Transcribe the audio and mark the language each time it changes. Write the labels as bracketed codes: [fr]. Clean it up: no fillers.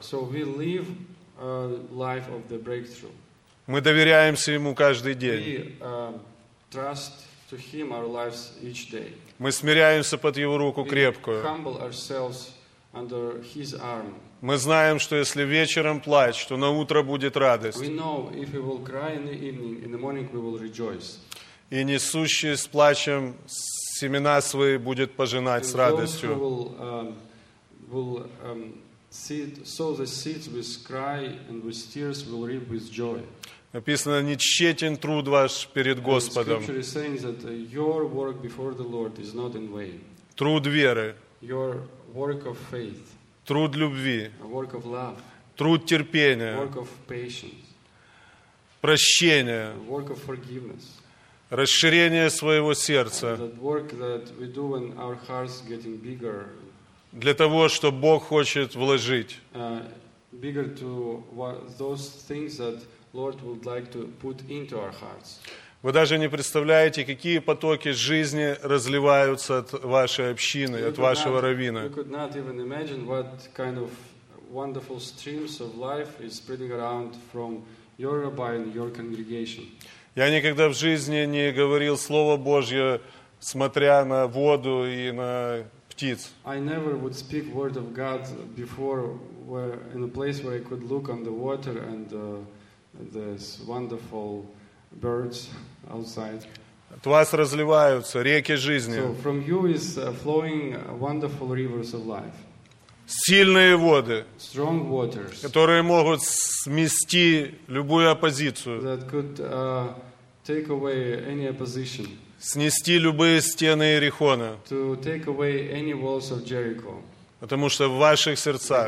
[en] So we live a life of the breakthrough. [ru] Мы доверяемся ему каждый день. [en] Trust to him our lives each day. [ru] Мы смиряемся под его руку крепкую. [en] We humble ourselves under his arm. [ru] Мы знаем, что если вечером плачь, то на утро будет радость. [en] We know if we will cry in the evening, in the morning we will rejoice. [ru] И несущий с плачем семена свои будет пожинать с радостью. [en] Those who will sow the seeds with cry and with tears will reap with joy. [ru] Написано: не тщетен труд ваш перед Господом. [en] Scripture is saying that your work before the Lord is not in vain. [ru] Труд веры. [en] Your work of faith. [ru] Труд любви. [en] A work of love. [ru] Труд терпения. [en] A work of patience. [ru] Прощение. [en] A work of forgiveness. [ru] Расширение своего сердца. [en] That work that we do when our hearts getting bigger. [ru] Для того, что Бог хочет вложить. [en] Bigger to those things that Lord would like to put into our hearts. [ru] Вы даже не представляете, какие потоки жизни разливаются от вашей общины, от вашего раввина. [en] You could not even imagine what kind of wonderful streams of life is spreading around from your rabbi and your congregation. [ru] Я никогда в жизни не говорил слово Божье, смотря на воду и на птиц. [en] I never would speak word of God before where in a place where I could look on the water and this wonderful birds outside. [ru] От вас разливаются реки жизни. [en] So from you is flowing wonderful rivers of life. [ru] Сильные воды. [en] Strong waters. [ru] Которые могут смести любую оппозицию. [en] That could take away any opposition. [ru] Снести любые стены Иерихона. [en] To take away any walls of Jericho. [ru] Потому что в ваших сердцах